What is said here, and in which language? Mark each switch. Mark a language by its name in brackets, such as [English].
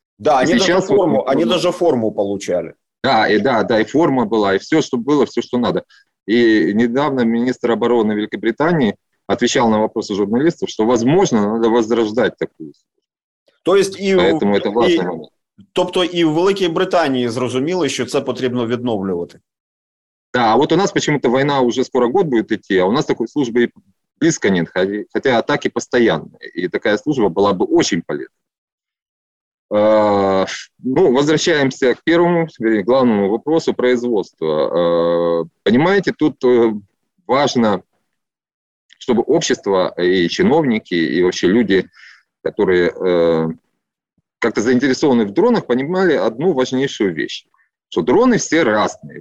[Russian] Да, они, сейчас даже форму, вот, они даже форму получали. Да, и форма была, и все, что было, все, что надо. И недавно министр обороны Великобритании отвечал на вопросы журналистов, что, возможно, надо возрождать такую службу. То есть поэтому это важно. [Ukrainian] Тобто і в Великій Британії зрозуміли, що це потрібно відновлювати. Так, а от у нас чому-то війна вже скоро год буде йти, а у нас такої служби і близько нет, хоча атаки постійні. І така служба була б дуже полезна. [Russian] Ну, возвращаемся к первому, главному вопросу производства. Понимаете, тут важно, чтобы общество и чиновники, и вообще люди, которые как-то заинтересованы в дронах, понимали одну важнейшую вещь, что дроны все разные.